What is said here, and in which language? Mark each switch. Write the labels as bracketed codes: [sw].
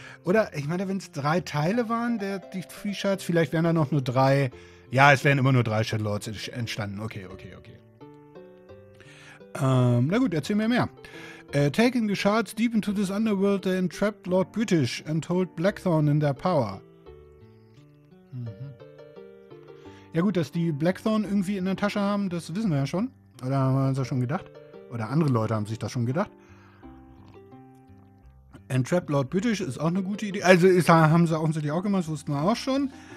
[de] Oder, ich meine, wenn es drei Teile waren, die [en] three Shards, [de] vielleicht wären da noch nur drei. Ja, es wären immer nur drei Shadow Lords entstanden. Okay. Na gut, erzähl mir mehr. [en] Taking the shards deep into this underworld, they entrapped Lord British and hold Blackthorn in their power. [de] Ja gut, dass die Blackthorn irgendwie in der Tasche haben, das wissen wir ja schon. Oder haben wir uns das schon gedacht? Oder andere Leute haben sich das schon gedacht. [en] Entrapped Lord British [de] ist auch eine gute Idee. Also haben sie offensichtlich auch gemacht, das wussten wir auch schon.